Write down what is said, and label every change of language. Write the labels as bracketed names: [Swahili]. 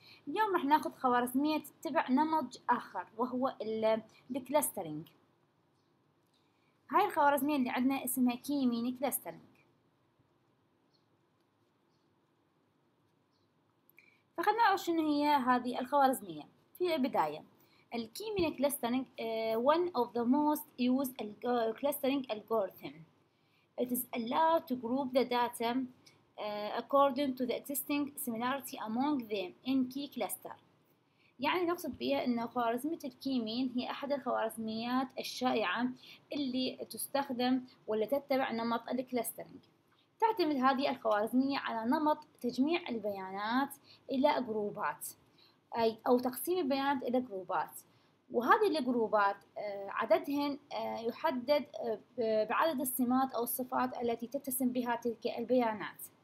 [Arabic] اليوم رح ناخذ خوارزمية تتبع نمط آخر وهو الـ clustering. هاي الخوارزمية اللي عندنا اسمها key meaning clustering. فخلنا نعرف شنو هي هذه الخوارزمية. في البداية [English] ال key meaning clustering one of the most used clustering algorithm. It is allowed to group the data according to the existing similarity among them in key cluster. [Arabic] يعني نقصد بها أنه خوارزمية الكيمين هي أحد الخوارزميات الشائعة اللي تستخدم واللي تتبع نمط الكلاسترينج. تعتمد هذه الخوارزمية على نمط تجميع البيانات إلى جروبات أو تقسيم البيانات إلى جروبات، وهذه الجروبات عددهن يحدد بعدد السمات أو الصفات التي تتسم بها تلك البيانات.